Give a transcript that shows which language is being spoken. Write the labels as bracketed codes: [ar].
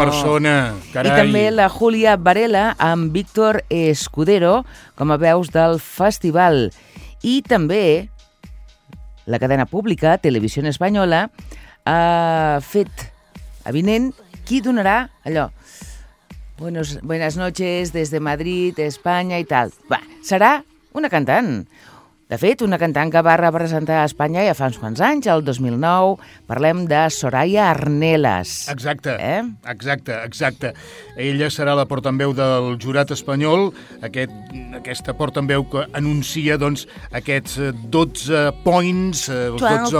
[ca] persona. Carai. I també la Júlia Varela amb Víctor Escudero com a veus del festival. I també la cadena pública, Televisió Espanyola, ha fet avinent qui donarà allò. [es] Buenas noches desde Madrid, España [ca] i tal. Va, serà una cantant. De fet, una cantant que va representar a Espanya ja fa uns anys, el 2009. Parlem de Soraya Arnelas. Exacte, exacte. Ella serà la portaveu del jurat espanyol. Aquesta portaveu que anuncia doncs, aquests 12 points, els 12